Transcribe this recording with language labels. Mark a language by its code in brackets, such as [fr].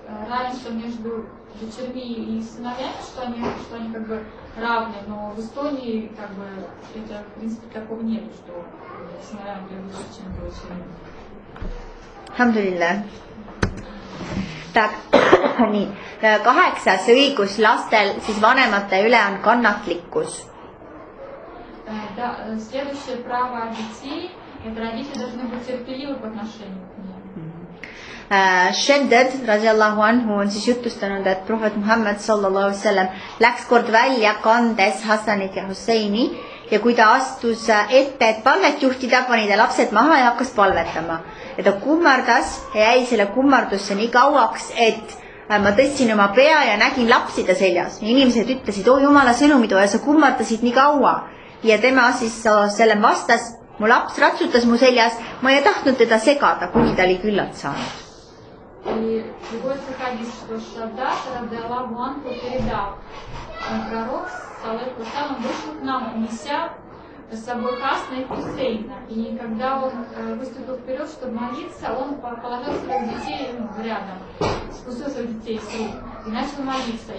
[ru] Разница между дочерьми и сыновьями, что они как бы равны, но в Эстонии как бы это, в принципе, такого нет, что сыновьям лучше, чем дочерьми. Хамдулилля. Так, они. [et] Kaheksas õigus lastel, siis vanemate üle on kannatlikkus. [ru] Да, следующее право детей, это родители должны быть терпеливы по отношению к ним. [et] Shedded, radiallahu anhu, on siis jutustanud, et prohvet Muhammad sallallahu sellem läks kord välja kandes Hassanit ja Husseini ja kui ta astus ette, et palvet juhtida, pani ta lapsed maha ja hakkas palvetama. Ja ta kummardas ja jäi selle kummardusse nii kauaks, et ma tõtsin oma pea ja nägin lapsi ta seljas. Inimesed ütlesid, oi jumala sõnumidu ja sa kummardasid nii kaua. Ja tema siis sellem vastas, mu laps ratsutas mu seljas, ma ei tahtnud teda segada, kui ta oli küllalt saanud. [ru] И другой хадис, что Шаддат Радела Буанку передал. Пророк Салату Салам вышел к нам, неся с собой Хасана и Хусейна. И когда он выступил вперед, чтобы молиться, он положил своих детей рядом, спустил своих детей с рук и начал молиться.